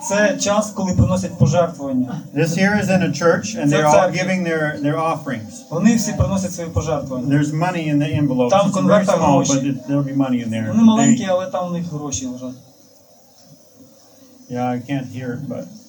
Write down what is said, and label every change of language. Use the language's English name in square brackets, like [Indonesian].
[Ukrainian] Це час, коли приносять пожертвування. [English] This here is in a church, and they're all giving their offerings. [Ukrainian] Вони всі приносять свої пожертвування. [English] There's money in the envelopes. [Ukrainian] Там конверти гроші. [English] But there'll be money in there. [Ukrainian] Вони маленькі, але там у них гроші лежать. [English] Yeah, I can't hear it, but...